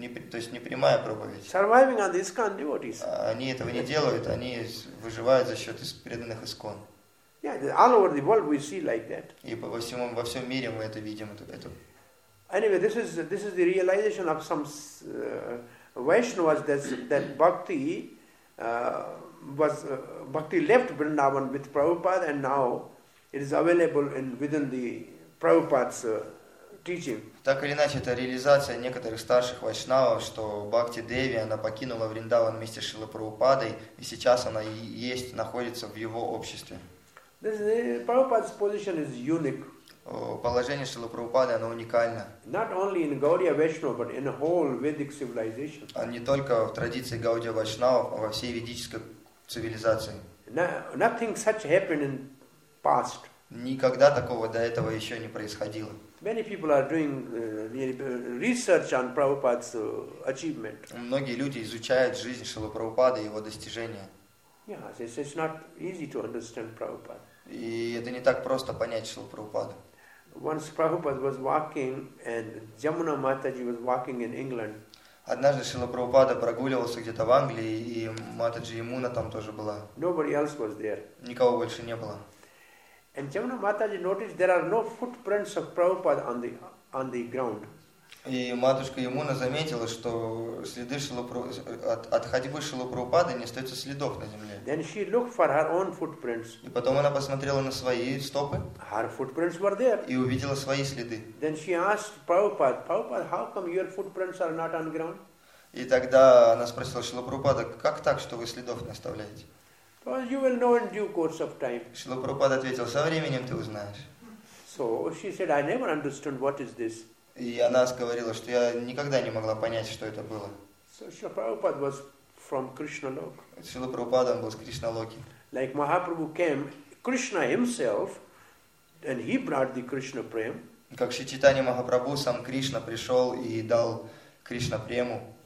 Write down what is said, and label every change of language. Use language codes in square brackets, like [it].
[ru] То есть не прямая проповедь. [en] Surviving on the ISKCON devotees. [ru] Они этого не делают, они выживают за счет из преданных ISKCON. [en] Yeah, all over the world we see like that. [ru] И во всем мире мы это видим. [en] Anyway, this is the realization of some Vaishnavas that bhakti Bhakti left Vrindavan with Prabhupada and now it is available within the Prabhupada's teaching. [ru] Так или иначе, это реализация некоторых старших вайшнавов, что Бхакти Деви, она покинула Вриндаван вместе с Шрилой Прабхупадой, и сейчас она есть, находится в его обществе. [en] Prabhupada's position is unique. [ru] Положение Шрилы Прабхупады, оно уникально. [en] Not only in Gaudiya Vaishnava, but in whole Vedic civilization. [ru] А не только в традиции Гаудия Вайшнавов, а во всей ведической цивилизации. [en] Nothing such happened in past. [ru] Никогда такого до этого еще не происходило. [en] Many people are doing research on Prabhupada's achievement. [ru] Многие люди изучают жизнь Шрилы Прабхупады и его достижения. [en] Yeah, it's not easy to understand Prabhupada. [ru] И это не так просто понять Шрилу Прабхупаду. [en] Once Prabhupada was walking and Jamuna Mataji was walking in England. [ru] Однажды Шрила Прабхупада прогуливался где-то в Англии, и Матаджи Ямуна там тоже была. [en] Nobody else was there. [ru] Никого больше не было. [en] And Jamuna Mataji noticed there are no footprints of Prabhupada on the ground. [ru] И матушка Ямуна заметила, что следы от ходьбы Шрилы Прабхупады не остается следов на земле. [en] Then she looked for her own footprints. [ru] И потом она посмотрела на свои стопы. [en] Her footprints were there. [ru] И увидела свои следы. [en] Then she asked Prabhupada, Prabhupada, how come your footprints are not on ground? [ru] И тогда она спросила Шрилу Прабхупада, как так, что вы следов не оставляете? [en] Well, you will know in due course of time. [ru] Шрила Прабхупада ответил, со временем ты узнаешь. [en] So she said, I never understood what is this. [ru] И она говорила, что я никогда не могла понять, что это было. [en] So Srila Prabhupada was from Krishna Lok. Srila Prabhupada was Krishna Loki. Like Mahaprabhu came, Krishna himself, and he brought the Krishna Prem. [ru] Как Шри Чайтанья Махапрабху, сам Кришна пришел и дал Кришна прему.